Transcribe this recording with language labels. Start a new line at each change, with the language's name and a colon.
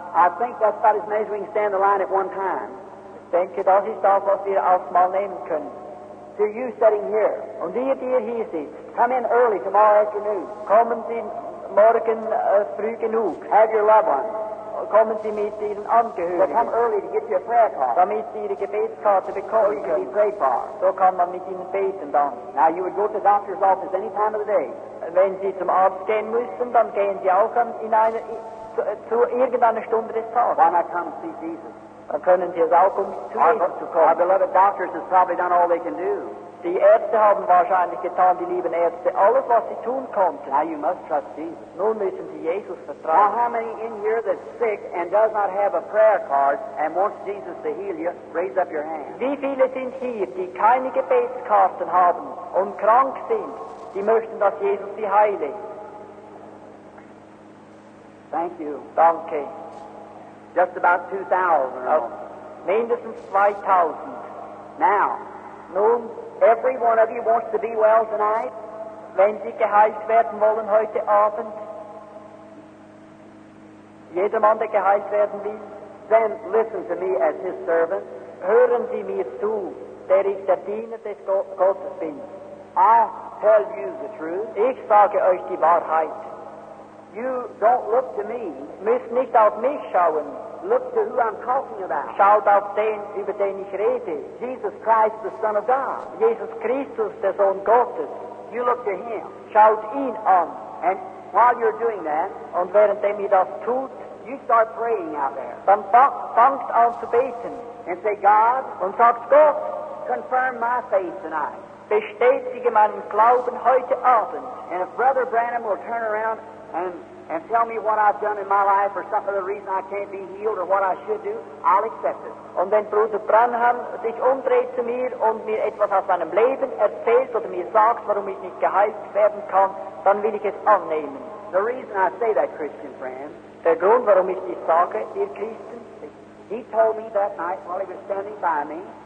English: I think that's about as many as we can stand the line at one time.
German: Denke, das ist das, was wir auf mal nehmen können.
English: To you sitting here.
German: Und dir, dir hier sitzt.
English: Come in early tomorrow afternoon.
German: Kommen Sie morgen früh genug.
English: Have your loved ones.
German: Kommen Sie mit Ihren Angehörigen.
English: So come early to get your prayer card.
German: Damit Sie Ihre Gebetskarte bekommen können.
English: So you can be prayed for.
German: So kann man mit Ihnen beten dann.
English: Now you would go to the doctor's office any time of the day.
German: Wenn Sie zum Arzt gehen müssen, dann gehen Sie auch an, in eine, zu irgendeiner Stunde des Tages.
English: Why not come see Jesus?
German: Können Sie es auch um zu Jesus zu kommen?
English: Our beloved doctors have probably done all they can do.
German: Die Ärzte haben wahrscheinlich getan, die lieben Ärzte, alles, was sie tun konnten.
English: Now you must trust Jesus.
German: Nun müssen Sie Jesus vertrauen.
English: Now how many in here that's sick and does not have a prayer card and wants Jesus to heal you, raise up your hand.
German: Wie viele sind hier, die keine Gebetskarten haben und krank sind, die möchten, dass Jesus sie heile?
English: Thank you.
German: Danke.
English: Just about 2,000.
German: Mindestens 2,000.
English: Now,
German: nun,
English: every one of you wants to be well tonight.
German: Wenn Sie geheilt werden wollen heute Abend, jedermann, der geheilt werden will,
English: then listen to me as his servant.
German: Hören Sie mir zu, der ich der Diener des Gottes bin.
English: I tell you the truth.
German: Ich sage euch die Wahrheit.
English: You don't look to me.
German: Müsst nicht auf mich schauen.
English: Look to who I'm talking about.
German: Schaut auf den, über den ich rede.
English: Jesus Christ, the Son of God.
German: Jesus Christus, der Sohn Gottes.
English: You look to him.
German: Schaut ihn an.
English: And while you're doing that,
German: und währenddem ihr das tut,
English: you start praying out there.
German: Dann fangt an zu beten.
English: And say, God,
German: und sagt Gott,
English: confirm my faith tonight.
German: Bestätige meinen Glauben heute Abend.
English: And if Brother Branham will turn around and tell me what I've done in my life or some other reason I can't be healed or what I should do, I'll accept it.
German: Und wenn Bruder Branham sich umdreht zu mir und mir etwas aus seinem Leben erzählt oder mir sagt, warum ich nicht geheilt werden kann, dann will ich es annehmen.
English: The reason I say that, Christian friend,
German: der Grund, warum ich dies sage, ihr Christen,
English: he told me that night while he was standing by me,